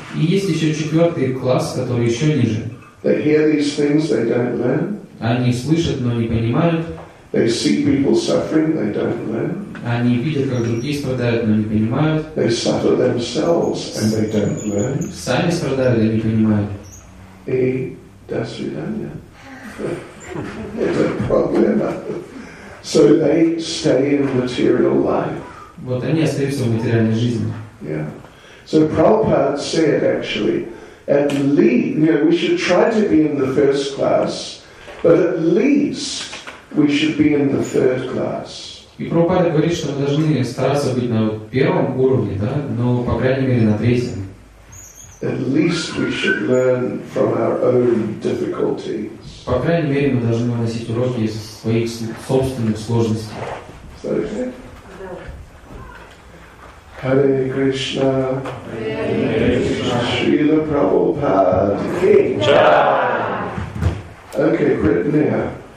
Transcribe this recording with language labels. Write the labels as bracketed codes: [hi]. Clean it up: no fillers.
[ru] И есть еще четвертый класс, который еще ниже. [en] They hear these things, they don't learn. [ru] Они слышат, но не понимают. [en] They see people suffering, they don't learn. [ru] Они видят, как другие страдают, но не понимают. [en] They suffer themselves and they don't learn. [ru] Сами страдают, но не понимают. И до свидания. Это проблема. [en] So they stay in material life. [ru] Вот они остаются в материальной жизни. [en] Yeah. So Prabhupada said actually, at least, you know, we should try to be in the first class, but at least we should be in the third class. [ru] И Прабхупада говорит, что мы должны стараться быть на первом уровне, да, но по крайней мере на третьем. [en] At least we should learn from our own difficulties. [ru] По крайней мере, мы должны выносить уроки из своих собственных сложностей. [en] Hare Krishna. Srila Prabhupada. Okay, Britannia.